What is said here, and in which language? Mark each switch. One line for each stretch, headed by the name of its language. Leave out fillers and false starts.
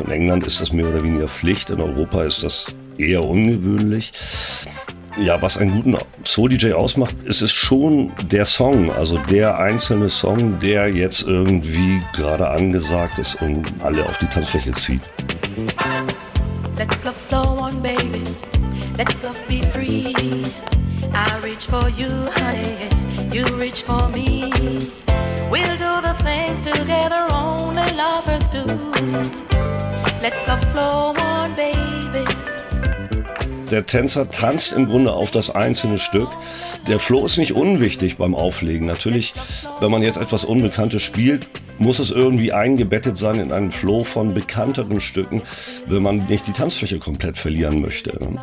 German: In England ist das mehr oder weniger Pflicht, in Europa ist das eher ungewöhnlich. Ja, was einen guten Soul-DJ ausmacht, ist es schon der Song, also der einzelne Song, der jetzt irgendwie gerade angesagt ist und alle auf die Tanzfläche zieht.
English: Let the flow on, baby. Let the flow be free. I reach for you, honey, you reach for me. We'll do the things together only lovers do. Let love flow on, baby.
German: Der Tänzer tanzt im Grunde auf das einzelne Stück. Der Flow ist nicht unwichtig beim Auflegen. Natürlich, wenn man jetzt etwas Unbekanntes spielt, muss es irgendwie eingebettet sein in einen Flow von bekannteren Stücken, wenn man nicht die Tanzfläche komplett verlieren möchte.